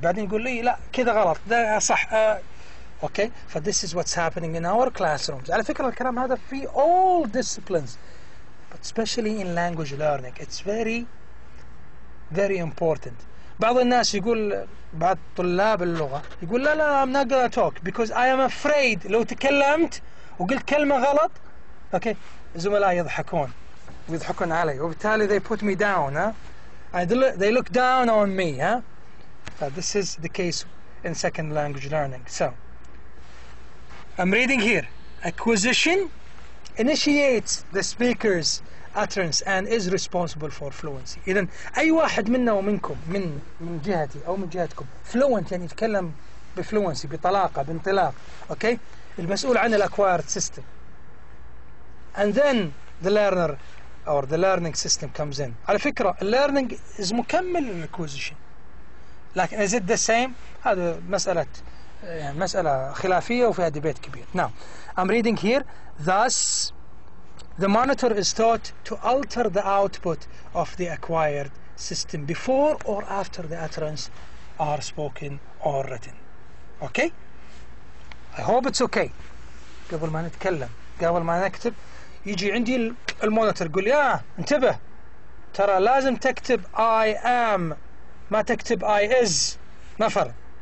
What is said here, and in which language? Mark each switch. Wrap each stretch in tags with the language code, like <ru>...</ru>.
<ar>بعدين يقول لي لا كذا غلط, ده صح.</ar> <en>Okay, so this is what's happening in our classrooms.</en> <ar>على فكرة الكلام هذا في</ar> <en>all disciplines, but especially in language learning, it's very, very important.</en> <ar>بعض الناس يقول, بعض طلاب اللغة يقول, لا لا,</ar> <en>I'm not gonna talk because I am afraid.</en> <ar>لو تكلمت وقلت كلمة غلط,</ar> <en>okay,</en> <ar>زملاء يضحكون, ويضحكون علي, وبالتالي</ar> <en>they put me down, they look down on me, this is the case in second language learning. So I'm reading here. Acquisition initiates the speaker's utterance and is responsible for fluency.</en> <ar>إذن أي واحد منا ومنكم, من جهتي أو من جهتكم, fluent يعني يتكلم بفلونسي, بطلاقة, بانطلاق, okay, المسؤول عن الacquired system,</ar> <en>and then the learner or the learning system comes in.</en> <ar>على فكرة learning is مكمل acquisition, لكن</ar> <en>is it the same؟</en> <ar>هذا مسألة, يعني مسألة خلافية وفيها ديبيت كبير.</ar> <en>Now I'm reading here. Thus the monitor is taught to alter the output of the acquired system before or after the utterance are spoken or written. Okay? I hope it's okay.</en> <ar>قبل ما نتكلم، قبل ما نكتب، يجي عندي المونيتور يقول لي انتبه، ترى لازم تكتب I am، ما تكتب I is، نفر.</ar>